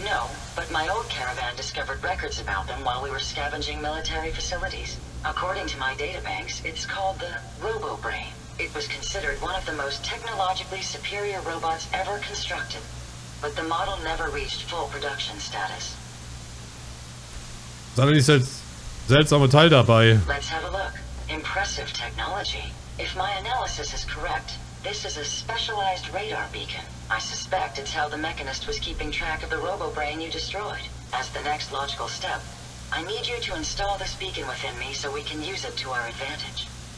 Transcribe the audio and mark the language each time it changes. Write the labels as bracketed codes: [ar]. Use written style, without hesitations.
[en] No, but my old caravan discovered records about them while we were scavenging military facilities. According to my databanks, it's called the RoboBrain. It was considered one of the most technologically superior robots ever constructed. But the model never reached full production status. [de] Ist ein seltsamer Teil dabei. [en] Let's have a look. Impressive technology. If my analysis is correct, this is a specialized radar beacon. I suspect it's how the mechanist was keeping track of the RoboBrain you destroyed. As the next logical step, I need you to install this beacon within me, so we can use it to our advantage.